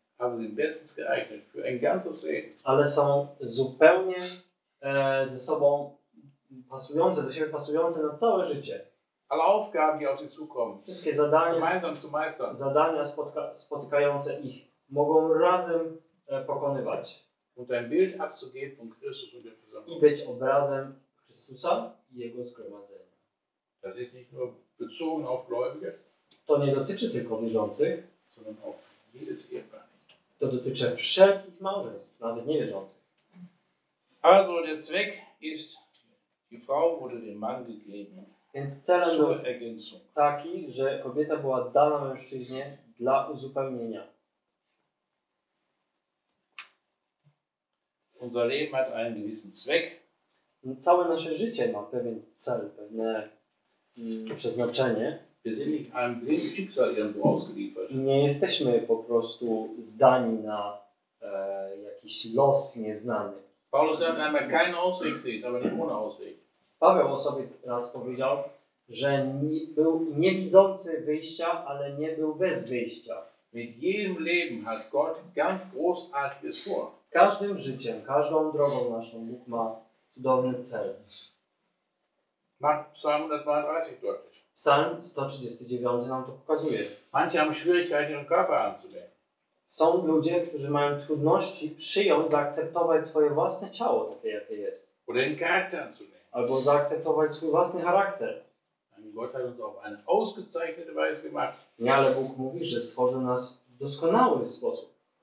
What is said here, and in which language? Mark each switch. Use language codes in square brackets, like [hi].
[de] Aber sind bestens geeignet für ein ganzes Leben. [pl] Ale są zupełnie ze sobą pasujące, do siebie pasujące na całe życie. [de] Alle Aufgaben, die auf sie zukommen. [pl] Wszystkie zadania, [de] gemeinsam zu meistern. [pl] Zadania spotykające ich, mogą razem pokonywać. [de] Und ein Bild abzugeben von Christus und der Versammlung. [pl] I być obrazem Chrystusa i Jego zgromadzenia. [de] Das ist nicht nur bezogen auf Gläubige. [pl] To nie dotyczy tylko wierzących, [de] sondern auch jedes Ehepaar. [pl] To dotyczy wszelkich małżeństw, nawet niewierzących. [de] Also der Zweck ist, die Frau wurde dem Mann gegeben. [pl] Więc celem był taki, że kobieta była dana mężczyźnie dla uzupełnienia. [de] Unser Leben hat einen gewissen Zweck. [pl] Całe nasze życie ma pewien cel, pewne przeznaczenie. [de] Wir sind nicht einem blinden Schicksal irgendwo ausgeliefert. [pl] Nie jesteśmy po prostu zdani na jakiś los nieznany. [de] Paulus hat einmal keinen Ausweg gesehen, aber nicht ohne Ausweg. [pl] Paweł o sobie raz powiedział, że był niewidzący wyjścia, ale nie był bez wyjścia. [de] Mit jedem Leben hat Gott ganz großartiges vor. [pl] Każdym życiem, każdą drogą naszą Bóg ma cudowny cel. [de] Macht Psalm 132 deutlich. [pl] Psalm 139 nam to pokazuje. [de] Manche haben Schwierigkeiten, ihren Körper anzunehmen. [pl] Są ludzie, którzy mają trudności przyjąć, zaakceptować swoje własne ciało, takie jakie jest. [de] Oder den Charakter anzunehmen. [pl] Albo zaakceptować swój własny charakter. [de] Gott hat uns auf eine ausgezeichnete Weise gemacht. [pl] Nie, ale Bóg mówi, że stworzył nas w doskonały sposób.